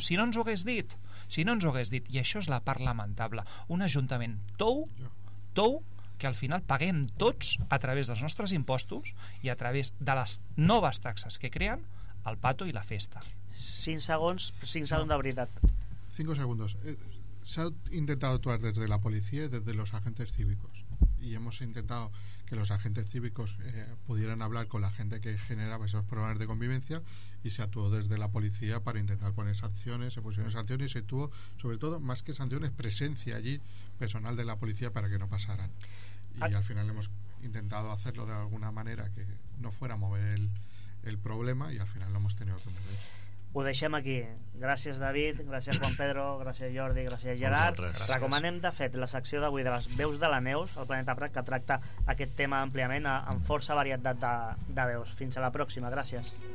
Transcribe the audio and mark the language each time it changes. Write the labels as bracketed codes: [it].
[ca] Si no ens ho hagués dit, i això és la part lamentable, un ajuntament tou, que al final paguem tots a través dels nostres impostos i a través de les noves taxes que creen el pato i la festa. 5 segons de veritat. [es] 5 segundos. [ca] S'ha intentat actuar des de la policia i des de [es] los agentes cívicos. I hemos intentado que los agentes cívicos pudieran hablar con la gente que generaba esos problemas de convivencia, y se actuó desde la policía para intentar poner sanciones, se pusieron sanciones y se tuvo, sobre todo, más que sanciones, presencia allí, personal de la policía, para que no pasaran. Y al final hemos intentado hacerlo de alguna manera que no fuera a mover el problema, y al final lo hemos tenido que mover. [ca] Ho deixem aquí. Gràcies, David, gràcies, Juan Pedro, gràcies, Jordi, gràcies, Gerard. Recomanem, de fet, la secció d'avui de les veus de la Neus, el Planeta Prat, que tracta aquest tema àmpliament amb força varietat de veus. Fins a la pròxima. Gràcies.